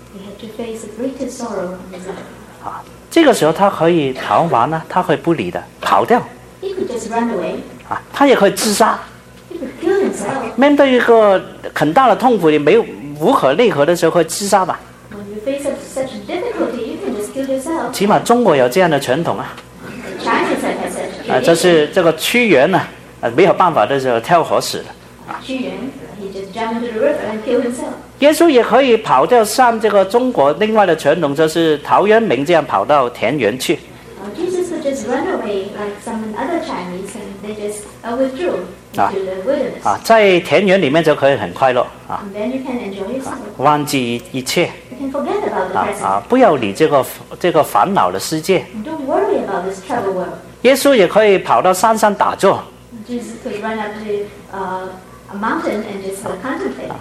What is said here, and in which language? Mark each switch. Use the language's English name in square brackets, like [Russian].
[English] He had to face the greatest sorrow on his own. [Chinese] 这个时候他可以逃亡呢，他可以不理的跑掉。 [English] He could just run away. [Chinese] 他也可以自杀。 [English] He could kill himself. [Chinese] 面对一个很大的痛苦，你没有无可奈何的时候，可以自杀吧。 [English] When you face up such difficulty, you can just kill yourself. [Chinese] 起码中国有这样的传统啊。 [English] China has such. [Chinese] 就是这个屈原呢，没有办法的时候跳河死了。 [English] 屈原 he just jumped into the river and killed himself. [Chinese] 耶稣也可以跑掉，像这个中国另外的传统，就是陶渊明这样跑到田园去。 [English] Jesus could just run away like some other Chinese, and they just withdrew into the wilderness. [Chinese] 在田园里面就可以很快乐 [English] And then you can enjoy yourself. [Chinese] 忘记一切。 [English] You can forget about the present. [Chinese] 不要理这个烦恼的世界。 [English] Don't worry about this troubled world. [Chinese] 耶稣也可以跑到山上打坐。 [English] Jesus could run up to a mountain and just contemplate.